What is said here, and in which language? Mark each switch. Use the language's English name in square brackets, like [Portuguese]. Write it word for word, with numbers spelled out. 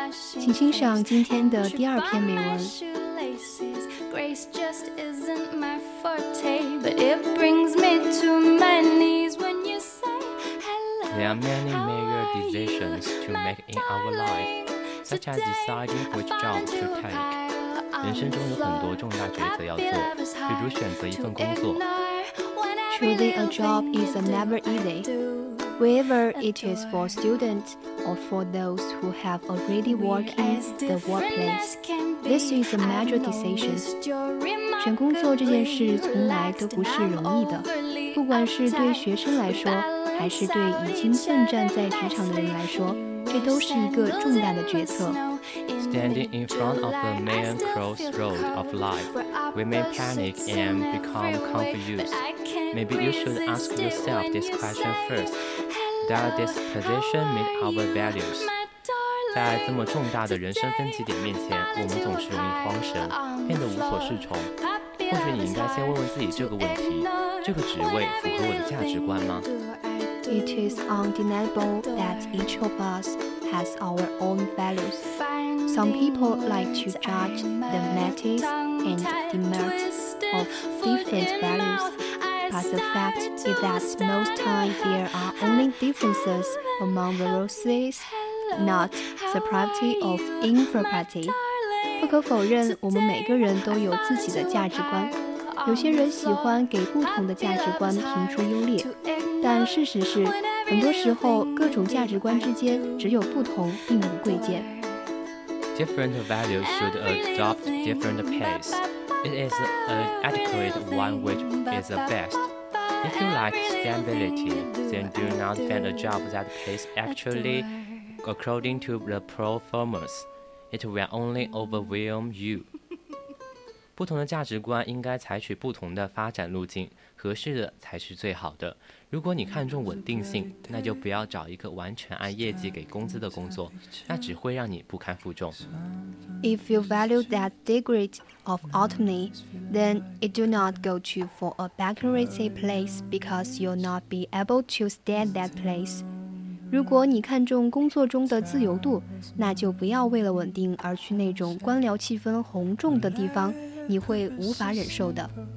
[Chinese] 请欣赏今天的第二篇美文。 [English] There are many major decisions to make in our life, such as deciding which job to take. [Chinese] 人生中有很多重大抉择要做，比如选择一份工作。 [English] Choosing a job is never easy. whether it is for students or for those who have already worked in the workplace. This is a major decision. [Chinese] 选工作这件事从来都不是容易的，不管是对学生来说，还是对已经奋战在职场的人来说，这都是一个重大的决策。 [English] Standing in front of the main crossroad of life, we may panic and become confused. Maybe you should ask yourself this question first. Does this position meet our values? [Chinese] 在这么重大的人生分歧点面前，我们总是容易慌神，变得无所适从。或许你应该先问问自己这个问题：这个职位符合我的价值观吗？ [English] It is undeniable that each of us has our own values. Some people like to judge the merits and demerits of different values, but the fact is that most times there are only differences among the roses, not the property of inferiority. [Chinese] 不可否认，我们每个人都有自己的价值观。有些人喜欢给不同的价值观评出优劣。但事实是，很多时候各种价值观之间只有不同，并无贵贱。 [English] Different values should adopt different pace. It is an adequate one which is the best. If you like stability, then do not find a job that pays actually according to the performance. It will only overwhelm you. [Chinese] 不同的价值观应该采取不同的发展路径，合适的才是最好的。如果你看重稳定性，那就不要找一个完全按业绩给工资的工作，那只会让你不堪负重。 [English] If you value that degree of autonomy, then it do not go to for a baccalaureate place because you'll not be able to stand that place. [Chinese] 如果你看重工作中的自由度，那就不要为了稳定而去那种官僚气氛红重的地方，你会无法忍受的。